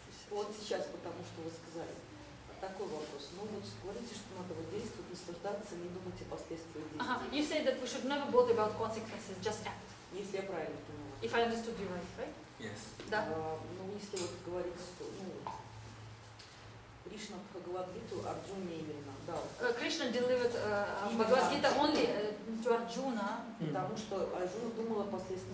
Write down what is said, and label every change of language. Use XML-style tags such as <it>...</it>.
<ru>Вот сейчас, потому что вы сказали. Такой вопрос. Ну вот говорите, что надо вот действовать, наслаждаться, не думать о последствиях действий. Uh-huh.</ru> <en>You say that we should never bother about consequences, just act.</en> <ru>Если я правильно поняла.</ru> <en>If I understood you right, right? Yes.</en> <ru>Да. Ну, если вот говорить, что, ну, Кришна Бхагавадгиту Арджуне именно дал.</ru> <en>Кришна delivered Бхагавадгиту only to Арджуна.</en> <ru>Потому что Арджуна думала о последствиях.</ru>